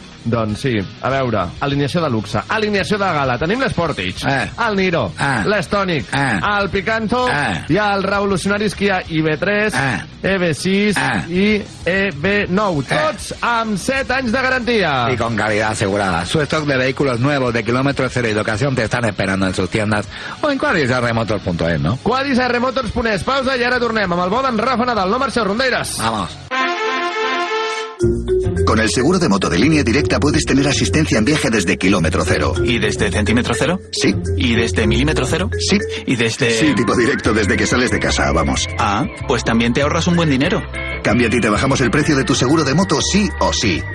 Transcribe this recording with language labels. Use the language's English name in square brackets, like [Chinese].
[Catalan] Doncs sí, a veure, alineació de luxe, alineació de gala, tenim l'Sportage, el Niro, l'Stonic, el Picanto, i el revolucionari Skia EV3, EV6 i EV9, tots amb 7 anys de garantia. [Spanish] I con calidad asegurada. Su stock de vehículos nuevos de kilómetro cero y locació te están esperando en sus tiendas o en QuadisRMotors.es, ¿no? [Catalan] QuadisRMotors.es, pausa i ara tornem amb el bo d'en Rafa Nadal, no marxeu, rondeires. [Spanish] Vamos. Con el seguro de moto de Línea Directa puedes tener asistencia en viaje desde kilómetro cero. ¿Y desde centímetro cero? Sí. ¿Y desde milímetro cero? Sí. ¿Y desde...? Sí, tipo directo desde que sales de casa, vamos. Ah, pues también te ahorras un buen dinero. Cámbiate y te bajamos el precio de tu seguro de moto sí o sí.